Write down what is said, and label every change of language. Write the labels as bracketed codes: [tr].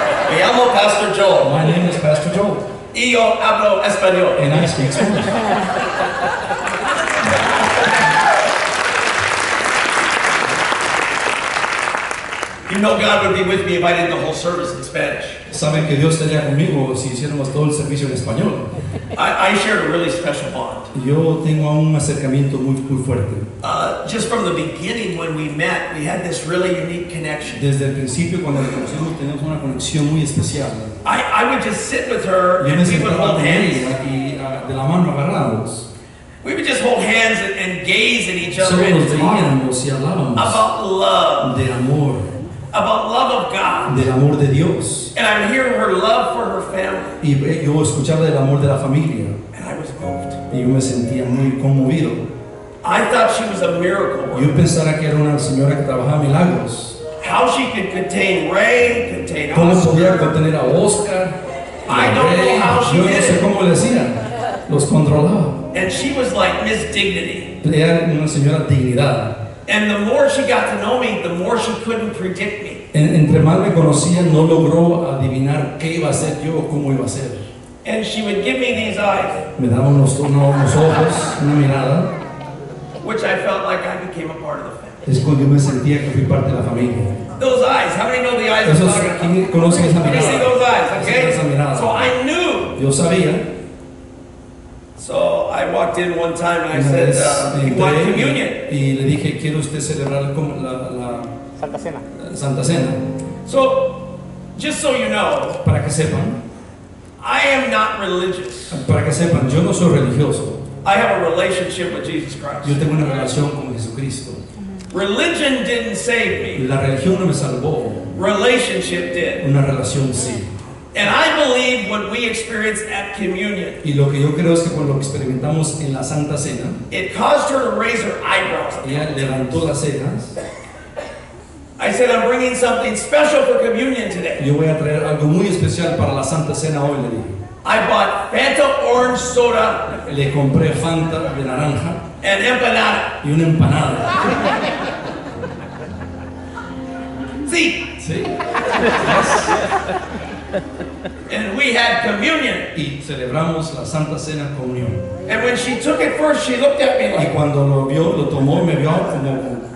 [es] Me llamo Pastor Joel. [en] My name is Pastor Joel. [es] Y yo hablo español. [en] And I speak Spanish. You know God would be with me if I did the whole service in Spanish. [es] Saben que Dios estaría conmigo si hiciéramos todo el servicio en español. [en] I shared a really special bond. [es] Yo tengo un acercamiento muy, muy fuerte. [en] Just from the beginning when we met, we had this really unique connection. [es] Desde el principio cuando nos conocimos tenemos una conexión muy especial. [en] I would just sit with her and we would hold hands. [es] Aquí, de la mano agarrados. [en] We would just hold hands and gaze at each other. [es] Solo nos veíamos y hablábamos. [en] About love. [es] De amor. [en] About love of God. [es] Del amor de Dios. [en] And I'm hearing her love for her family. [es] Y yo escuchaba del amor de la familia. [en] And I was moved. [es] Y yo me sentía muy conmovido. [en] I thought she was a miracle. [es] Yo pensaba que era una señora que trabajaba milagros. [en] How she could contain Ray, contain [es] ¿cómo Oscar? Podía contener a Oscar. [en] I don't Ray. Know how she [es] yo [en] did. [es] No sé cómo le hacía. Los controlaba. [en] And she was like Miss Dignity. [es] Era una señora dignidad. [en] And the more she got to know me, the more she couldn't predict me. [es] Entre más me conocía, no logró adivinar qué iba a ser yo o cómo iba a ser. [en] And she would give me these eyes. [es] Me daba unos ojos, una mirada. [en] Which I felt like I became a part of the family. [es] Es cuando yo me sentía que fui parte de la familia. [en] Those eyes. How many know the eyes? [es] Esos, ¿quién conoce esa mirada? [en] Can you see those eyes? Okay. So I knew. [es] Yo sabía. [en] So I walked in one time and I said, "You want communion?" [es] Y le dije, "¿Quiere usted celebrar la Santa Cena?" Santa Cena. [en] So, just so you know, [es] para que sepan, [en] I am not religious. [es] Para que sepan, yo no soy religioso. [en] I have a relationship with Jesus Christ. [es] Yo tengo una relación con Jesucristo. [en] Religion didn't save me. [es] La religión no me salvó. [en] Relationship did. [es] Una relación sí. [en] And I believe what we experience at communion. [es] Y lo que yo creo es que cuando experimentamos en la Santa Cena, [en] it caused her to raise her eyebrows. [es] Ella levantó las cejas. [en] I said, "I'm bringing something special for communion today." [es] Yo voy a traer algo muy especial para la Santa Cena hoy, le dije. [en] I bought Fanta orange soda. [es] Le compré Fanta de naranja. [en] And empanada. [es] Y una empanada. Sí. Sí. [en] And we had communion. [es] Y celebramos la Santa Cena comunión. [en] And when she took it first, she looked at me like. [es] Y cuando lo vio, lo tomó y me vio como.